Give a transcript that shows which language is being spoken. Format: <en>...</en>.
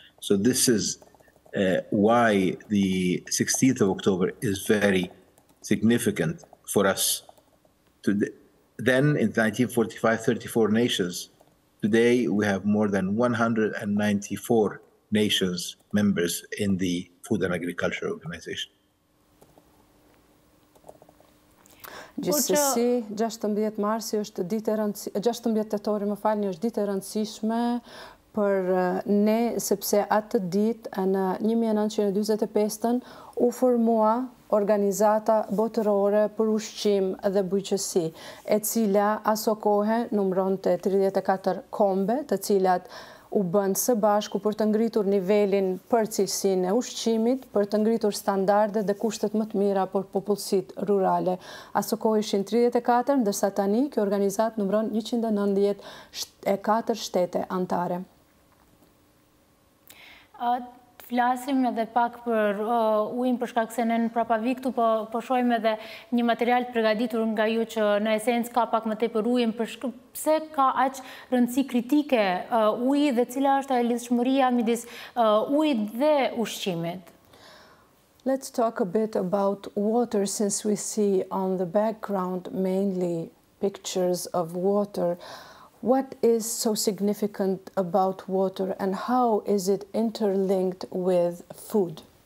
<en>So this is why the 16th of October is very significant for us. Then in 1945, 34 nations. Today we have more than 194 nations members in the Food and Agriculture Organization.</en> <sq>Gjithsesi, 16 marsi është ditë e rëndësishme, 16 tetori më falni, është ditë e rëndësishme për ne, sepse atë ditë në 1925 u formua organizata botërore për ushqim dhe bujqësi, e cila aso kohë numëronte 34 kombe, të cilat u bënd së bashku për të ngritur nivelin për cilësin e ushqimit, për të ngritur standarde dhe kushtet më të mira për popullësit rurale. Aso kohë ishin 34, ndërsa tani kjo organizat numëron 194 shtete antare. Të flasim edhe pak për ujin për shkak se ne në prapaviktu po shohim edhe një material të përgatitur nga ju që në esencë ka pak më tepër ujin, pse ka aq rëndësi kritike uji dhe cila është ajo lidhshmëria midis ujit dhe ushqimit?</sq> <en>Let's talk a bit about water, since we see on the background mainly pictures of water. What is so significant about water and how is it interlinked with food?</en>